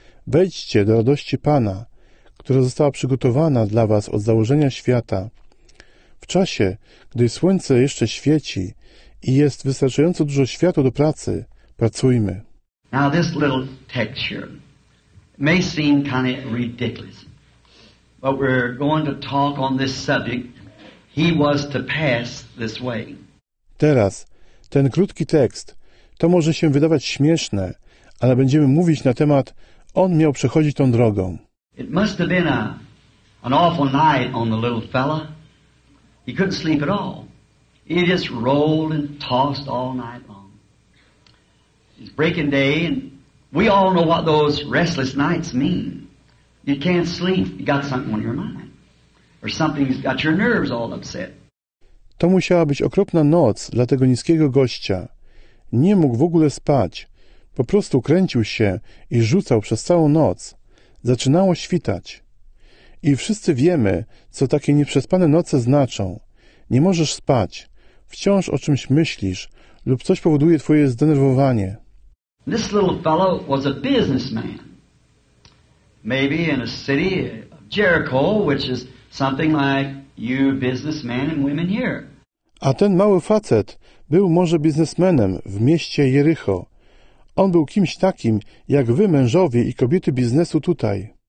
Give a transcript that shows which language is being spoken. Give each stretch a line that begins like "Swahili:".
Polish: Wejdźcie do radości Pana, która została przygotowana dla was od założenia świata. W czasie, gdy słońce jeszcze świeci i jest wystarczająco dużo światła do pracy, pracujmy.
English: Now this little text here may seem kind of ridiculous, but we're going to talk on this subject. He was to pass this way.
Polish: Teraz, ten krótki tekst, to może się wydawać śmieszne, ale będziemy mówić na temat, on miał przechodzić tą drogą.
English: It must have been an awful night on the little fella. He couldn't sleep at all. He just rolled and tossed all night long. It's breaking day, and we all know what those restless nights mean. You can't sleep. You got something on your mind. Or something's got your nerves all upset.
Polish: To musiała być okropna noc dla tego niskiego gościa. Nie mógł w ogóle spać. Po prostu kręcił się i rzucał przez całą noc. Zaczynało świtać. I wszyscy wiemy, co takie nieprzespane noce znaczą. Nie możesz spać. Wciąż o czymś myślisz lub coś powoduje twoje zdenerwowanie.
English: This little fellow was a businessman. Maybe in a city of Jericho, which is something like you businessmen and women here.
Polish: A ten mały facet był może biznesmenem w mieście Jerycho. On był kimś takim jak wy mężowie i kobiety biznesu tutaj.